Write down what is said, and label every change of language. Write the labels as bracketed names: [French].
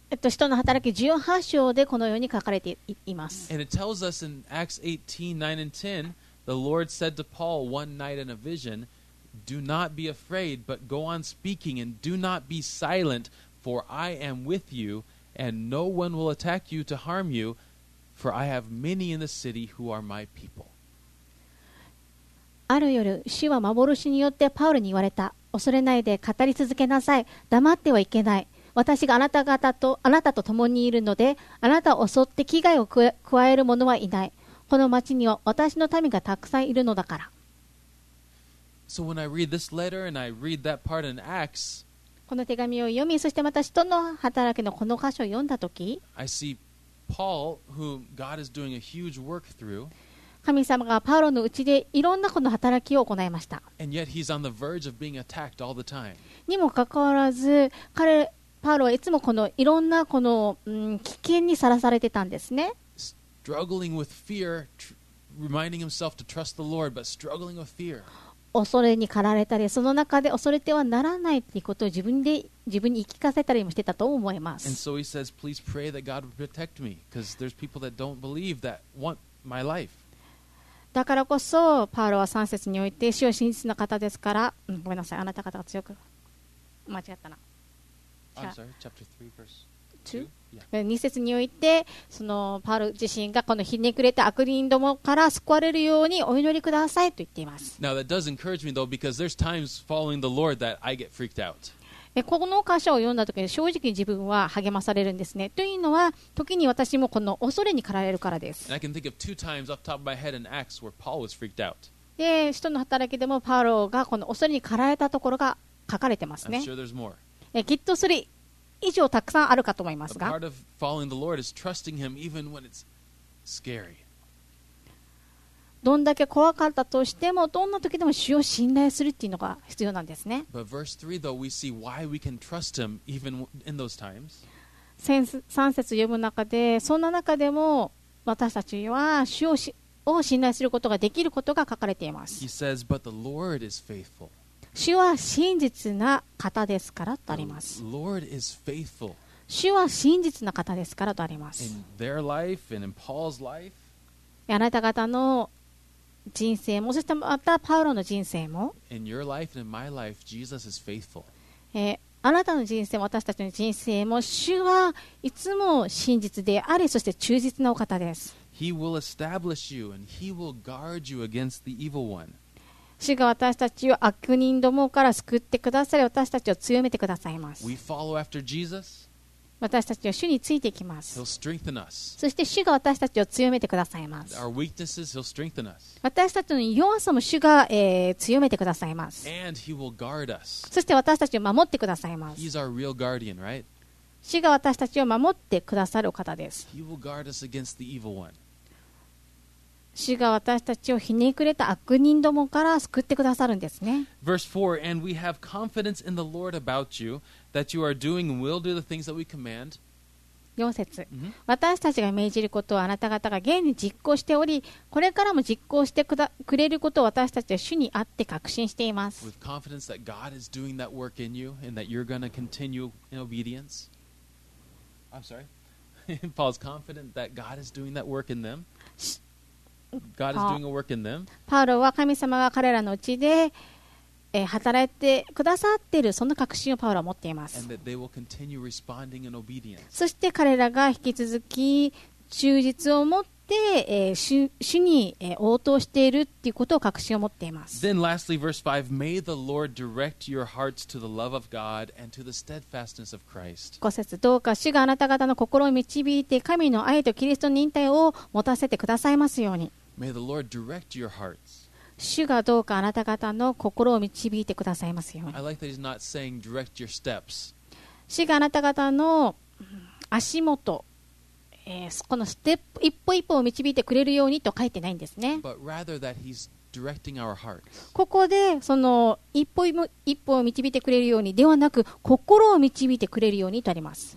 [Japanese] 人の働き18章でこのように書かれています。 [English] And it tells us in Acts 18, 9 and 10, the Lord said to Paul one night in a vision, Do not be afraid, but go on speaking, and do not be silent, for I am with you, and no one will attack you to harm you, for I have many in the city who are my people. [Japanese] ある夜、主は幻によってパウルに言われた。恐れないで語り続けなさい。黙ってはいけない。私があなた方とあなたと共にいるので、あなたを襲って危害を加える者はいない。この町には私の民がたくさんいるのだから。 [English] So when I read this letter and I read that part in Acts, [Japanese] この手紙を読み、そしてまた使徒の働きのこの箇所を読んだとき、 [English] I see Paul, whom God is doing a huge work through, [Japanese] 神様がパウロのうちでいろんなこの働きを行いました。 [English] And yet he's on the verge of being attacked all the time. [Japanese] にもかかわらず、彼パウロはいつもこのいろんなこの、危険にさらされてたんですね。 [English] Struggling with fear, reminding himself to trust the Lord, but struggling with fear. [Japanese] 恐れに駆られたり、その中で恐れてはならないということを自分に言い聞かせたりもしてたと思います。 [English] And so he says, please pray that God will protect me, because there's people that don't believe that want my life. [Japanese] だからこそ、パウロは3節において、主は真実な方ですから、ごめんなさい、あなた方が強く、間違ったな。 [English] I'm sorry, chapter 3, verse 2? [Japanese] 2節において、そのパウロ自身がこのひねくれた悪人どもから救われるようにお祈りくださいと言っています。 [English] Now that does encourage me though, because there's times following the Lord that I get freaked out. [Japanese] この箇所を読んだときに正直に自分は励まされるんですね。というのは、時に私もこの恐れに駆られるからです。 [English] And I can think of two times off the top of my head in Acts where Paul was freaked out. [Japanese] で、使徒の働きでもパウロがこの恐れに駆られたところが書かれてますね。 [English] I'm sure there's more. [Japanese] きっとそれ以上たくさんあるかと思いますが、 [English] part of following the Lord is trusting him even when it's scary. [Japanese] どんだけ怖かったとしてもどんな時でも主を信頼するっていうのが必要なんですね。 [English] But verse 3 though we see why we can trust him even in those times. [Japanese] 3節読む中でそんな中でも私たちは主を信頼することができることが書かれています。 [English] He says, but the Lord is faithful. [Japanese] 主は真実な方ですからとあります。 [English] The Lord is faithful. [Japanese] 主は真実な方ですからとあります。 [English] In their life and in Paul's life, [Japanese] あなた方の人生も、そしてまたパウロの人生も、 [English] In your life and in my life, Jesus is faithful. [Japanese] あなたの人生も、私たちの人生も、主はいつも真実であり、そして忠実なお方です。 [English] He will establish you and he will guard you against the evil one. [Japanese] 主が私たちを悪人どもから救ってくださり、私たちを強めてくださいます。 [English] We follow after Jesus. [Japanese] 私たちは主についていきます。 [English] He'll strengthen us. [Japanese] そして主が私たちを強めてくださいます。 [English] Our weaknesses, he'll strengthen us. [Japanese] 私たちの弱さも主が、強めてくださいます。 [English] And he will guard us. [Japanese] そして私たちを守ってくださいます。 [English] He's our real guardian, right? [Japanese] 主が私たちを守ってくださるお方です。 [English] He will guard us against the evil one. [Japanese] 主が私たちをひねくれた悪人どもから救ってくださるんですね。 [English] Verse 4, And we have confidence in the Lord about you, that you are doing and will do the things that we command. [Japanese] 4節、私たちが命じることをあなた方が現に実行しており、これからも実行してくれることを私たちは主にあって確信しています。 [English] With confidence that God is doing that work in you and that you're going to continue in obedience. I'm sorry. Paul's confident that God is doing that work in them. God is doing a work in them. [Japanese] パウロは神様が彼らのうちで、働いてくださっているその確信をパウロは持っています。 [English] And that they will continue responding in obedience. [Japanese] そして彼らが引き続き忠実を持って、主に、応答しているということを確信を持っています。 [English] Then lastly, verse 5, May the Lord direct your hearts to the love of God and to the steadfastness of Christ. [Japanese] 5節、どうか主があなた方の心を導いて神の愛とキリストの忍耐を持たせてくださいますように。 [English] May the Lord direct your hearts. [Japanese] 主がどうかあなた方の心を導いてくださいますように。 [English] I like that he's not saying direct your steps. [Japanese] 主があなた方の足元、このステップ一歩一歩を導いてくれるようにと書いてないんですね。 [English] But rather that he's directing our hearts. [Japanese] ここでその一歩一歩を導いてくれるようにではなく、心を導いてくれるようにとあります。